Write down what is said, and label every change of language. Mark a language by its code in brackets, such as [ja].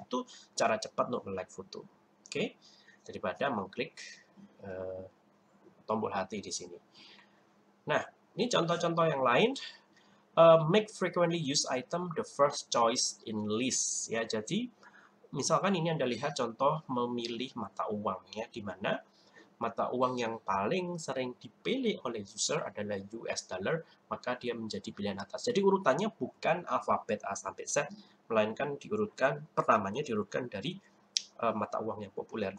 [id] Itu cara cepat untuk me-like foto. Oke. Okay? Daripada mengklik tombol hati di sini. Nah, ini contoh-contoh yang lain. [en] Make frequently used item the first choice in list. [id] Ya, jadi misalkan ini Anda lihat contoh memilih mata uang, ya, di mana mata uang yang paling sering dipilih oleh user adalah US dollar, maka dia menjadi pilihan atas. Jadi urutannya bukan alfabet A sampai Z, melainkan diurutkan pertamanya diurutkan dari mata uang yang populer.